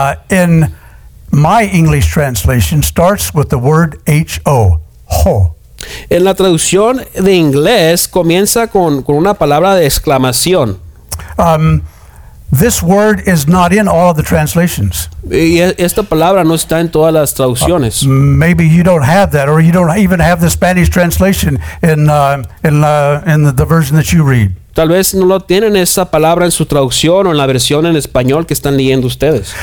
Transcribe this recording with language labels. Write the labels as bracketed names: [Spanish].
[English] In my English translation starts with the word H-O. Ho. [Spanish] En la traducción de inglés comienza con una palabra de exclamación. [English] This word is not in all of the translations. [Spanish] Y esta palabra no está en todas las traducciones. [English] Maybe you don't have that, or you don't even have the Spanish translation in the version that you read. [Spanish] Tal vez no lo tienen esa palabra en su traducción o en la versión en español que están leyendo ustedes.